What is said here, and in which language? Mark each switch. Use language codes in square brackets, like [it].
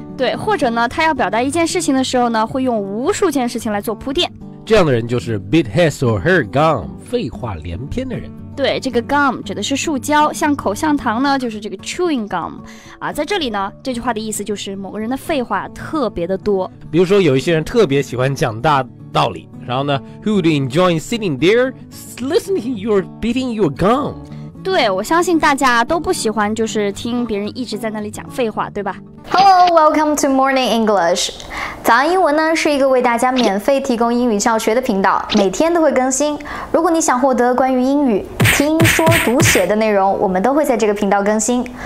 [zh] 对，或者呢，他要表达一件事情的时候呢，会用无数件事情来做铺垫。这样的人就是 [en] bit his or her gum， [zh] 废话连篇的人。对，这个 gum 指的是树胶，像口香糖呢，就是这个 chewing gum。啊，在这里呢，这句话的意思就是某个人的废话特别的多。比如说有一些人特别喜欢讲大道理，然后呢 [en] ，Who would enjoy sitting there listening to you beating your gum？ [zh] 对，我相信大家都不喜欢就是听别人一直在那里讲废话，对吧？ [en] Hello, welcome to Morning English。 [zh] 早安英文呢，是一个为大家免费提供英语教学的频道，每天都会更新。如果你想获得关于英语听说读写的内容，我们都会在这个频道更新。